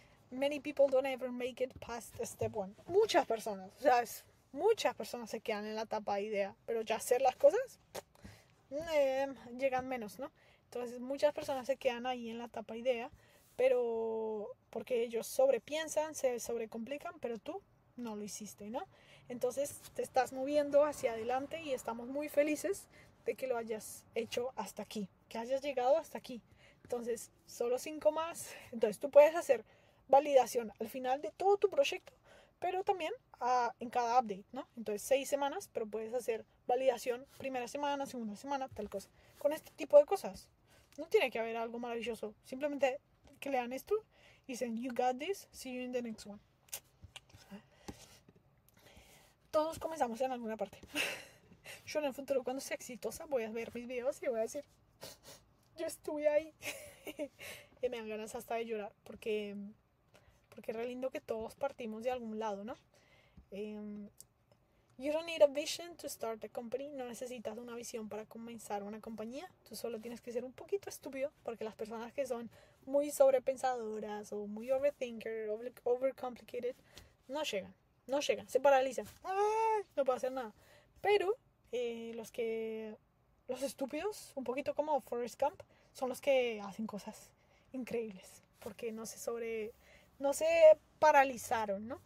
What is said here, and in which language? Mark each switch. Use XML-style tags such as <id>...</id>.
<en>Many people don't ever make it past step one.</en> <es>Muchas personas. O sea, es, muchas personas se quedan en la etapa idea. Pero ya hacer las cosas, llegan menos, ¿no? Entonces, muchas personas se quedan ahí en la etapa idea. Pero porque ellos sobrepiensan, se sobrecomplican, pero tú no lo hiciste, ¿no? Entonces te estás moviendo hacia adelante y estamos muy felices de que lo hayas hecho hasta aquí, que hayas llegado hasta aquí. Entonces, solo 5 más. Entonces tú puedes hacer validación al final de todo tu proyecto, pero también en cada update, ¿no? Entonces 6 semanas, pero puedes hacer validación primera semana, segunda semana, tal cosa. Con este tipo de cosas. No tiene que haber algo maravilloso. Simplemente que lean esto y dicen,</es> <en>you got this, see you in the next one.</en> <es>Todos comenzamos en alguna parte. Yo en el futuro, cuando sea exitosa, voy a ver mis videos y voy a decir, yo estuve ahí. Y me dan ganas hasta de llorar, porque es re lindo que todos partimos de algún lado, ¿no?</es> <en>You don't need a vision to start a company.</en> <es>No necesitas una visión para comenzar una compañía. Tú solo tienes que ser un poquito estúpido, porque las personas que son muy sobrepensadoras o muy overthinker, overcomplicated, no llegan, se paralizan. ¡Ay! No puedo hacer nada. Pero los estúpidos, un poquito como Forrest Gump, son los que hacen cosas increíbles, porque no se paralizaron, ¿no?</es>